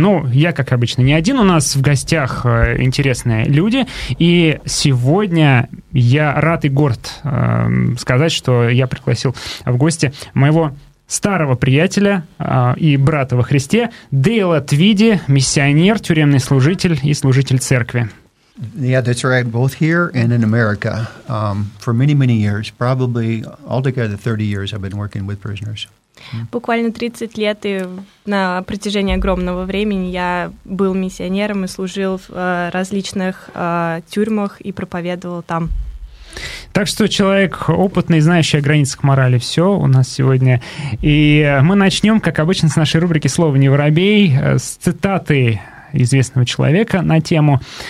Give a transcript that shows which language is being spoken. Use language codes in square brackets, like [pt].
[ru] Ну, я, как обычно, не один, у нас в гостях интересные люди, и сегодня я рад и горд сказать, что я пригласил в гости моего старого приятеля и брата во Христе Дейла Твиди, миссионер, тюремный служитель и служитель церкви. [en] Yeah, that's right, both here and in America, for many, many years, probably altogether 30 years I've been working with prisoners. [ru] Буквально 30 лет, и на протяжении огромного времени я был миссионером и служил в различных тюрьмах и проповедовал там. Так что человек опытный, знающий о границах морали, все у нас сегодня. И мы начнем, как обычно, с нашей рубрики «Слово не воробей», с цитаты известного человека на тему.